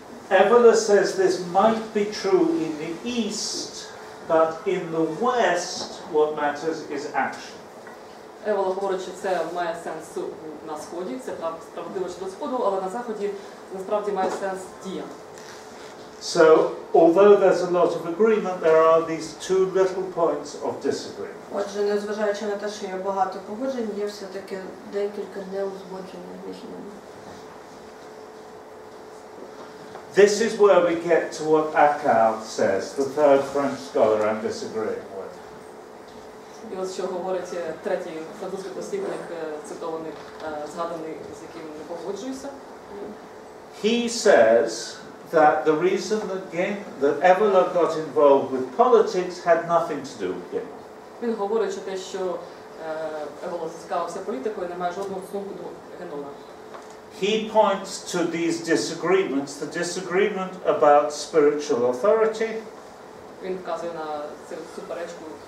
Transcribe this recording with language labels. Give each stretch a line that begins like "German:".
English: Евола says this might be true in the East, but in the West what matters is action.
Ukrainian: Евола говорить, що це має сенс на Сході, це правдиво щодо Сходу, але на Заході насправді має сенс дія.
English: So, although there's a lot of agreement, there are these two little points of disagreement.
Ukrainian: Отже, незважаючи на те, що є багато погоджень, є все-таки декілька неузгодження між ними.
English: This is where we get to what Akal says, the third French scholar I'm disagreeing with.
Ukrainian: І ось що говорить третій французький дослідник, цитований, згаданий, з яким не погоджуюся.
English: He says that the reason that Evola got involved with politics had nothing to do with him.
Ukrainian: Він говорить, що те, що Евола зацікавився політикою, не має жодного стосунку до Генона.
English: He points to these disagreements, the disagreement about spiritual authority.
Ukrainian: Він вказує на цю суперечку.